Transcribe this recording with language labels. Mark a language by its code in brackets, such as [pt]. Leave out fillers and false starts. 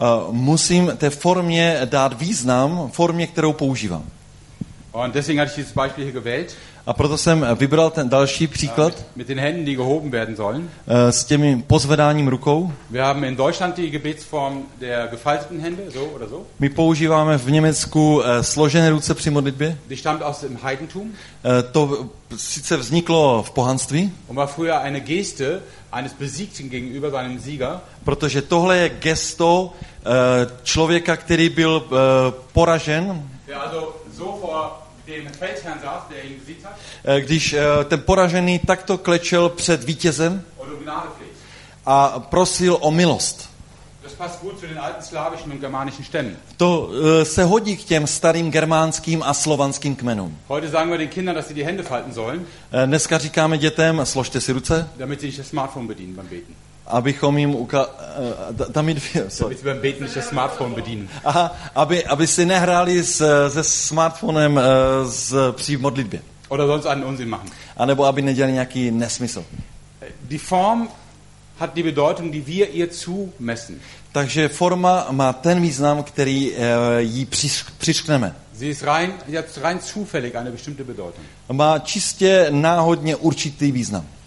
[cs] Musím té formě dát význam, formě, kterou používám. [de] Und deswegen hatte ich dieses Beispiel hier gewählt. [cs] A proto jsem vybral ten další příklad. [de] Mit den Händen, die gehoben werden sollen. [cs] S těmi pozvedáním rukou. [de] Wir haben in Deutschland die Gebetsform der gefalteten Hände, so oder so. [cs] My používáme v Německu složené ruce při modlitbě. [de] Die stammt aus dem Heidentum. [cs] To sice vzniklo v pohanství. [de] Und war früher eine Geste eines Besiegten gegenüber seinem Sieger. [cs] Protože tohle je gesto člověka, který byl poražen. [de] Der also so vor dem Feldherrn saß, der ihn besiegt hat. [cs] Když ten poražený takto klečel před vítězem a prosil o milost. [de] Das passt gut zu den alten slavischen und germanischen Stämmen. [cs] To se hodí k těm starým germánským a slovanským kmenům. [de] Heute sagen wir den Kindern, dass sie die Hände falten sollen. [cs] Dneska říkáme dětem, složte si ruce. [de] Damit sie nicht das Smartphone bedienen beim Beten. [cs] Abychom jim [de] damit sie beim Beten nicht das Smartphone bedienen. [cs] Aha, aby si nehráli se smartphonem při modlitbě. [de] Oder sonst einen Unsinn machen. [cs] A nebo aby nedělali nějaký nesmysl. [de] Die Form hat die Bedeutung, die wir ihr zumessen. [cs] Takže forma má ten význam, který jí přiřkneme. [de] Sie ist rein zufällig eine bestimmte Bedeutung. [cs] Má čistě náhodně určitý význam.